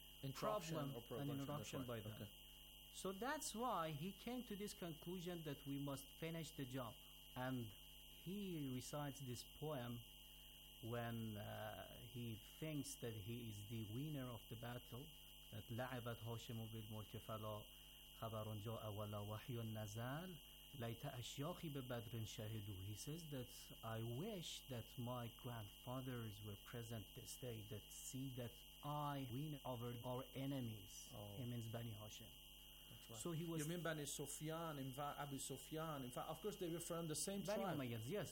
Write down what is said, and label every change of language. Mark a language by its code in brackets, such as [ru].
[en] interruption problem and interruption by them. Okay. So that's why he came to this conclusion that we must finish the job. And he recites this poem when he thinks that he is the winner of the battle. That [ar] لعبت هاشم بالملك فلا خبر جاء ولا وحي نزل ليت أشياخي ببدر شهدوا. [en] He says that I wish that my grandfathers were present this day that see that I win over our enemies. Oh. He means Bani Hashim. Right. So he was. You mean Bani Sufyan, in fact, Abu Sufyan. In fact, of course, they were from the same Bani tribe. Bani Umayyads, yes.